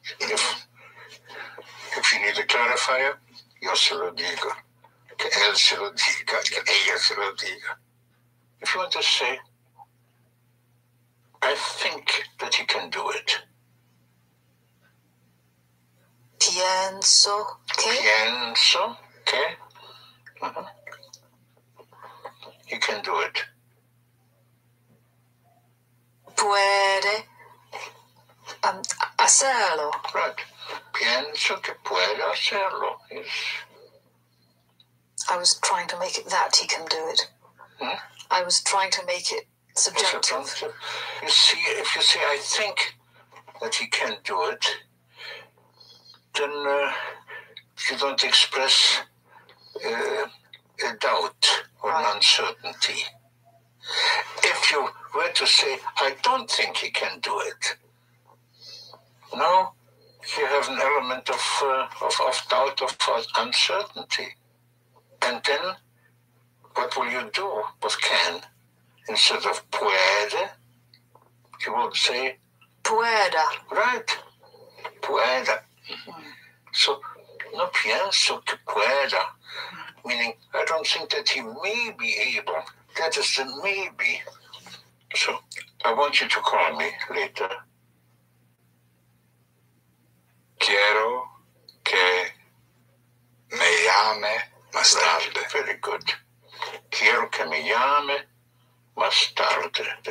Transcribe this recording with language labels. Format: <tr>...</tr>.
<en>If you need a clarifier,</en> <es>yo se lo diga, que él se lo diga, que ella se lo diga.</es> <en>If you want to say, I think that he can do it.</en> <es>Pienso que. Pienso que.</es> <en>He can do it.</en> <es>Puede hacerlo. Right. Pienso que puede hacerlo. Yes.</es> <en>I was trying to make it that he can do it. I was trying to make it subjective. You see, if you say, I think that he can do it, then you don't express a doubt or an uncertainty. If you were to say, I don't think he can do it, now you have an element of doubt, of uncertainty. And then what will you do with can? Instead of puede, you will say</en> <es>pueda. Right. Pueda.</es> <en>So</en> <es>no pienso que pueda,</es> <en>meaning I don't think that he may be able. That is the maybe. So I want you to call me later.</en> <es>Quiero que me llame más tarde.</es> <en>Very good.</en> <es>Quiero que me llame más tarde.</es>